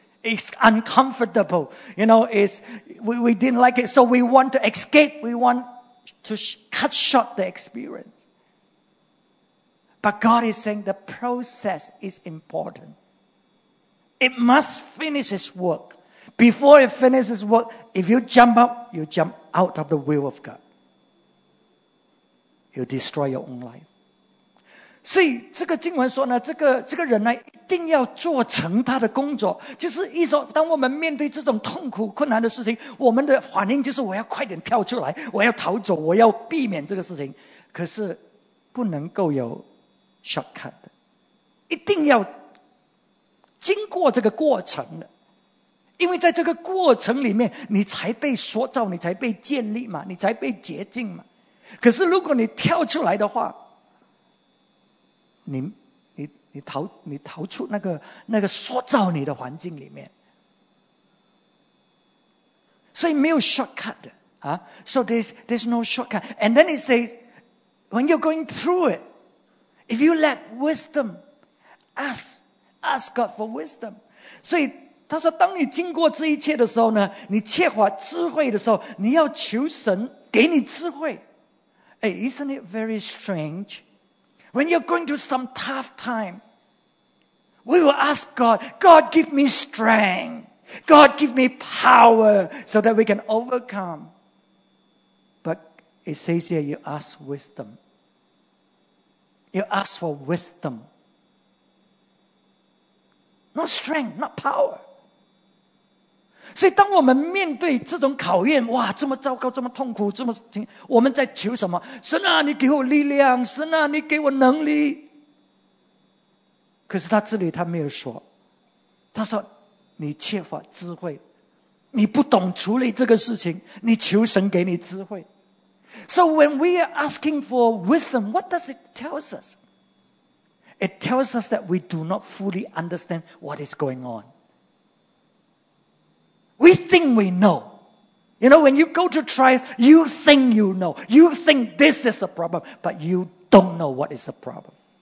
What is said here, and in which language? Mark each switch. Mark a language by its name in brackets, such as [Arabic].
[English] It's uncomfortable, you know, we didn't like it. So we want to escape, we want to cut short the experience. But God is saying the process is important. It must finish its work. Before it finishes work, if you jump out, you jump out of the will of God. You destroy your own life. [Chinese] 所以这个经文说呢，这个人呢，一定要做成他的工作。就是意思说，当我们面对这种痛苦困难的事情，我们的反应就是我要快点跳出来，我要逃走，我要避免这个事情。可是不能够有 shortcut 的，一定要经过这个过程的。因为在这个过程里面，你才被塑造，你才被建立嘛，你才被洁净嘛。可是如果你跳出来的话，你逃出那个塑造你的环境里面，所以没有 shortcut 的啊。 [English] So there's no shortcut. And then it says, when you're going through it, if you lack wisdom, ask God for wisdom. [Chinese] 所以他说，当你经过这一切的时候呢，你缺乏智慧的时候，你要求神给你智慧。 [English] Hey, isn't it very strange? When you're going through some tough time, we will ask God, God give me strength. God give me power so that we can overcome. But it says here, you ask wisdom. You ask for wisdom. Not strength, not power. [Chinese] 所以当我们面对这种考验，哇，这么糟糕，这么痛苦，这么停，我们在求什么？神啊，你给我力量，神啊，你给我能力。可是他这里他没有说，他说你缺乏智慧，你不懂处理这个事情，你求神给你智慧。 [English] So when we are asking for wisdom, what does it tell us? It tells us that we do not fully understand what is going onWe think we know. You know, when you go to trials, you think you know. You think this is a problem, but you don't know what is a problem.